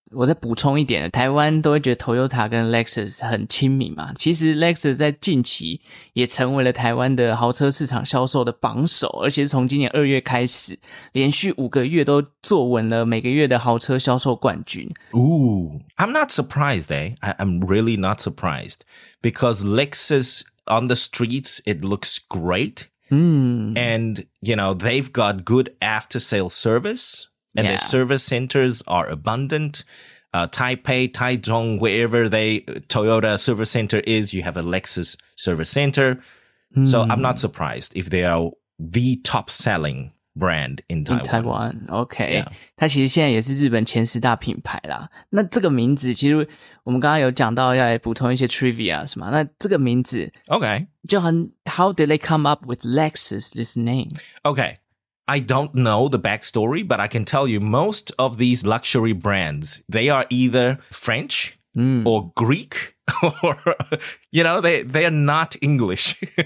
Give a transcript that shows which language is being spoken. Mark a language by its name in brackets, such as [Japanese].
[Chinese] 我再补充一点, 台湾都会觉得Toyota跟Lexus很亲民嘛, 其实Lexus在近期也成为了台湾的豪车市场销售的榜首, 而且是从今年2月开始, 连续5个月都坐稳了每个月的豪车销售冠军。 [English] Ooh, I'm not surprised, eh? I'm really not surprised. Because Lexus on the streets, it looks great. Mm. And, you know, they've got good after-sales service, and their service centers are abundant. Taipei, Taichung, wherever they Toyota service center is, you have a Lexus service center. Mm. So I'm not surprised if they are the top-selling brand in Taiwan. In Taiwan, okay. Yeah. [Chinese] 它其实现在也是日本前十大品牌啦。那这个名字其实我们刚刚有讲到要来补充一些 trivia 是吗？那这个名字 [English] Okay. [Chinese] 就很, [English] how did they come up with Lexus, this name? Okay. I don't know the backstory, but I can tell you most of these luxury brands, they are either French or Greek or, you know, they are not English.